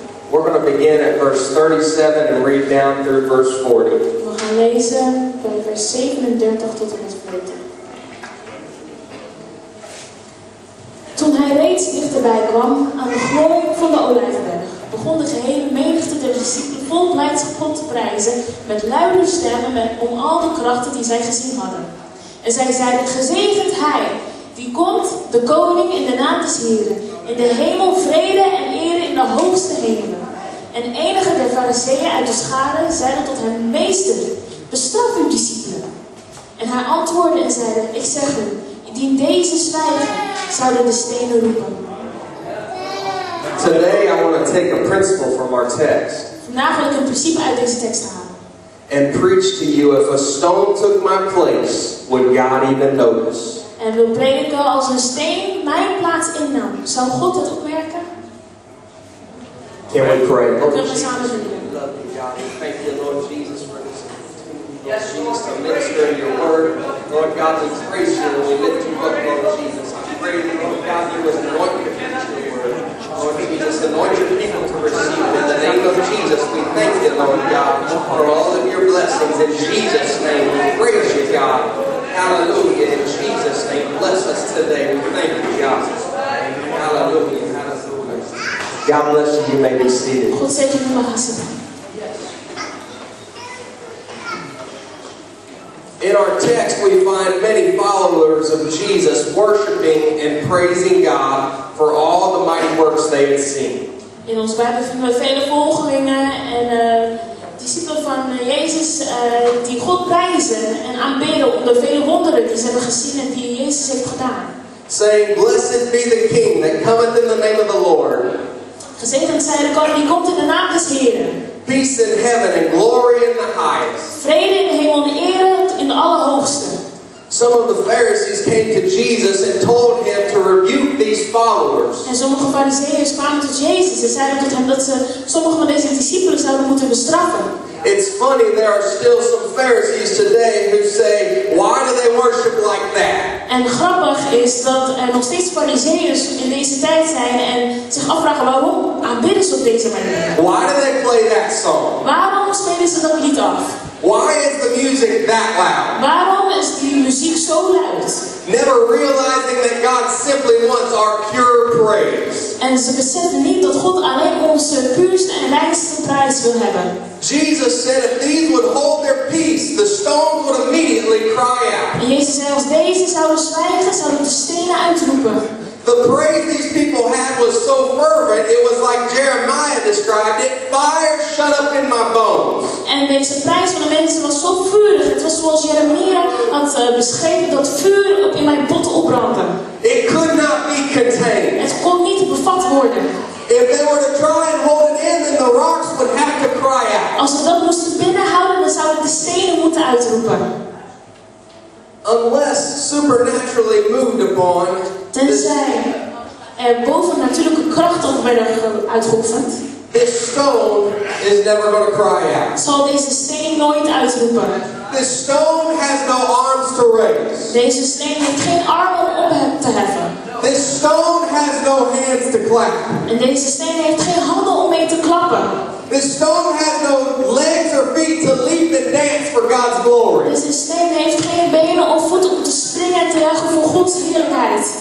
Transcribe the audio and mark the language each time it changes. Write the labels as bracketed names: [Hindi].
[English] We're going to begin at verse 37 and read down through verse 40. [Dutch] We gaan lezen bij vers 37 tot en met 40. Toen hij reeds dichterbij kwam aan de glooi van de olijfberg, begon de gehele menigte der discipelen vol blijdschap God te prijzen met luide stemmen om al de krachten die zij gezien hadden. En zij zeiden: gezegend hij die komt, de koning in de naam des Heren, in de hemel vrede en ere in de hoogste hemelen. En enige der fariseeën uit de scharen zeiden tot hem: meester, bestraf uw discipelen. En hij antwoordde en zeide: ik zeg u, indien deze zwijgen, zouden de stenen roepen. [English] Today I want to take a principle from our text. [Dutch] Vandaag wil ik een principe uit deze tekst halen. [English] And preach to you, if a stone took my place, would God even notice? [Dutch] En wil prediken, als een steen mijn plaats innam, zou God het opmerken? [English] Can we pray? Oh, Jesus. We love you, God. We thank you, Lord Jesus, for this opportunity. Yes, Jesus, to minister your word. Lord God, we praise you and we lift you up, Lord Jesus. I pray, Lord God, you would anoint your people to your word. Lord Jesus, anoint your people to receive it. In the name of Jesus, we thank you, Lord God, for all of your blessings. In Jesus' name, we praise you, God. Hallelujah. In Jesus' name, bless us today. We thank you, God. Hallelujah. God bless you. You may be seated. [Dutch] God zet je nu maar gaan zitten. [English] In our text we find many followers of Jesus worshiping and praising God for all the mighty works they had seen. [Dutch] In ons Bijbel vinden we vele volgelingen en discipelen van Jezus die God prijzen en aanbidden om de vele wonderen die ze hebben gezien en die Jezus heeft gedaan. [English] Saying, blessed be the King that cometh in the name of the Lord. [Dutch] Gezegend zij de koning die komt in de naam des Heren. [English] Peace in heaven and glory in the highest. [Dutch] Vrede in de hemel en eer in de allerhoogste. [English] Some of the Pharisees came to Jesus and told him to rebuke these followers. [Dutch] En sommige fariseeërs kwamen tot Jezus en zeiden tot hem dat ze sommige van deze discipelen zouden moeten bestraffen. [English] It's funny, there are still some Pharisees today who say, why do they worship like that? [Dutch] En grappig is dat er nog steeds fariseeërs in deze tijd zijn en zich afvragen waarom aanbidden ze op deze manier. [English] Why do they play that song? [Dutch] Waarom spelen ze dat lied af? [English] Why is the music that loud? [Dutch] Waarom is die muziek zo luid? [English] Never realizing that God simply wants our pure praise. [Dutch] En ze beseffen niet dat God alleen onze puurste en reinste prijs wil hebben. [English] Jesus said if these would hold their peace, the stones would immediately cry out. [Dutch] En Jezus zei als deze zouden zwijgen, zouden de stenen uitroepen. [English] The praise these people had was so fervent, it was like Jeremiah described it, fire shut up in my bones. [Dutch] En deze prijs van de mensen was zo vurig, het was zoals Jeremiah had beschreven dat vuur op in mijn botten opbrandde. [English] It could not be contained. [Dutch] Het kon niet bevat worden. [English] If they were to try and hold it in, then the rocks would have to cry out. [Dutch] Als ze dat moesten binnenhouden, dan zouden de stenen moeten uitroepen. [English] Unless supernaturally moved upon, [Dutch] tenzij er boven natuurlijke kracht op werden uitgeoefend, [English] this stone is never going to cry out. [Dutch] Zal deze steen nooit uitroepen. [English] This stone has no arms to raise. [Dutch] Deze steen heeft geen armen om op te heffen. [English] This stone has no hands to clap. [Dutch] En deze steen heeft geen handen om mee te klappen. [English] This stone has no legs or feet to leap and dance for God's glory. [Dutch] Deze steen heeft geen benen of voeten om te springen en te juichen voor Gods heerlijkheid.